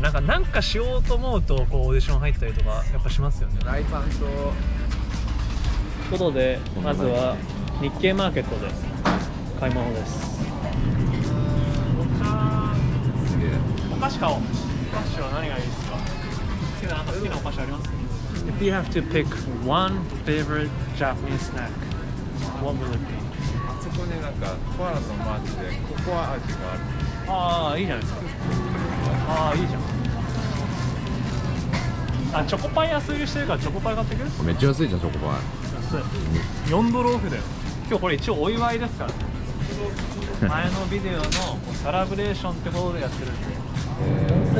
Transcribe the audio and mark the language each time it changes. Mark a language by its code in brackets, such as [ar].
[ja] なんかしようと思うと、こうオーディション入ったりとか、やっぱしますよね。ライパンと。ことで、まずは日経マーケットで買い物です。お茶。すげえ。お菓子買おう。お菓子は何がいいですか。なんか好きなお菓子ありますか。 [en] If you have to pick one favorite Japanese snack, what will it be? [ja] あそこになんかコアラのマークでココア味がある。ああ、いいじゃないですか。ああ、いいじゃん。あ、チョコパイ安売りしてるからチョコパイ買ってくる？めっちゃ安いじゃん、チョコパイ。安い。4ドルオフだよ。今日これ一応お祝いですから。前のビデオのこうサラブレーションってことでやってるんで。